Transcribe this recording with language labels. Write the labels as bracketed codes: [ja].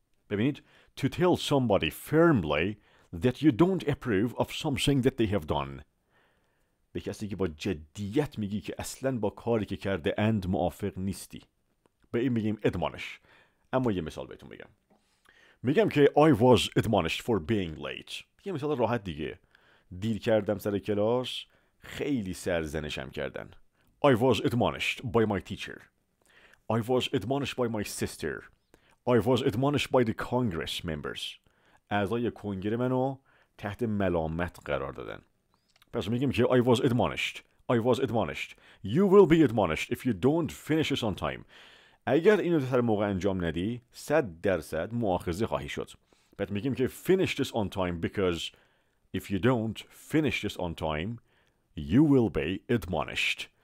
[fa] ببینید [en] to tell somebody firmly that you don't approve of something that they have done. [fa] به کسی که با جدیت میگی که اصلا با کاری که کرده اند موافق نیستی. به این میگیم admonish. اما یه مثال بهتون میگم. میگم که [en] I was admonished for being late. [fa] یه مثال راحت دیگه. دیر کردم سر کلاس، خیلی سرزنشم کردن. [en] I was admonished by my teacher. I was admonished by my sister. I was admonished by the Congress members. [fa] اعضای کنگره منو تحت ملامت قرار دادن. پس میگیم که [en] I was admonished. I was admonished. You will be admonished if you don't finish this on time. [fa] اگر اینو در موقع انجام ندی، 100% مؤاخذه خواهی شد. بعد میگیم که [en] finish this on time because if you don't finish this on time, you will be admonished.